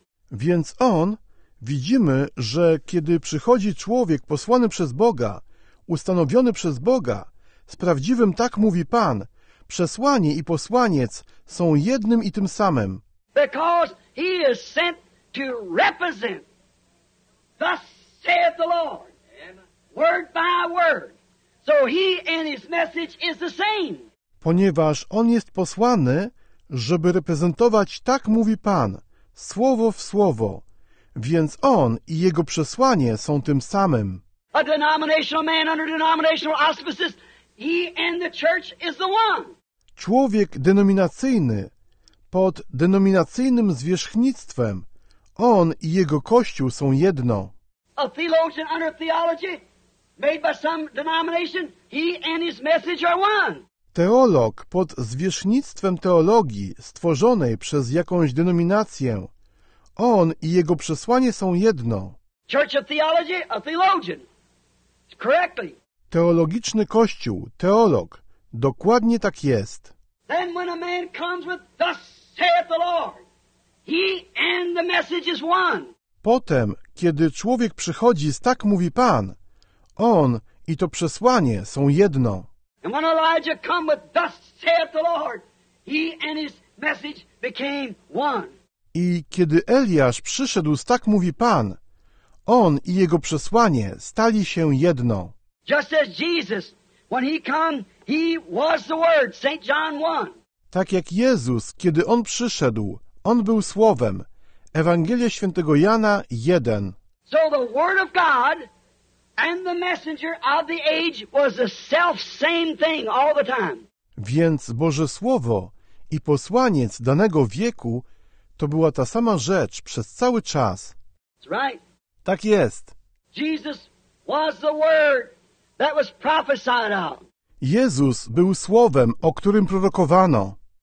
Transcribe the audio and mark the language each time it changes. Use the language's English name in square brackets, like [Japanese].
[Polish] Więc on, widzimy, że kiedy przychodzi człowiek posłany przez Boga, ustanowiony przez Boga, z prawdziwym, tak mówi Pan, przesłanie i posłaniec są jednym i tym samym. [English] Because he is sent to represent, thus saith the Lord, word by word. So he and his message is the same. [Polish] Ponieważ on jest posłany, żeby reprezentować, tak mówi Pan, słowo w słowo. Więc on i jego przesłanie są tym samym. [English] A denominational man under denominational auspices, he and the church is the one. [Polish] Człowiek denominacyjny, pod denominacyjnym zwierzchnictwem, on i jego kościół są jedno. [English] A theologian under theology, made by some denomination, he and his message are one. [Polish] Teolog pod zwierzchnictwem teologii stworzonej przez jakąś denominację, on i jego przesłanie są jedno. [English] Church of theology, a theologian. Correctly. [Polish] Teologiczny kościół, teolog, dokładnie tak jest. [English] Then when a man comes with thus saith the Lord, he and the message is one. [Polish] Potem, kiedy człowiek przychodzi z tak mówi Pan, on i to przesłanie są jedno. [English] And when Elijah come with thus saith the Lord, he and his message became one. [Polish] I kiedy Eliasz przyszedł z tak mówi Pan, on i jego przesłanie stali się jedno. [English] Just as Jesus, when he come, he was the Word, St. John 1. [Polish] Tak jak Jezus, kiedy On przyszedł, On był Słowem. Ewangelia Świętego Jana 1. [English] So the Word of God and the messenger of the age was the self same thing all the time. [Polish] Więc Boże Słowo i posłaniec danego wieku to była ta sama rzecz przez cały czas. [English] That's right. [Polish] Tak jest. [English] Jesus was the Word that was prophesied of. [Polish] Jezus był Słowem, o którym prorokowano.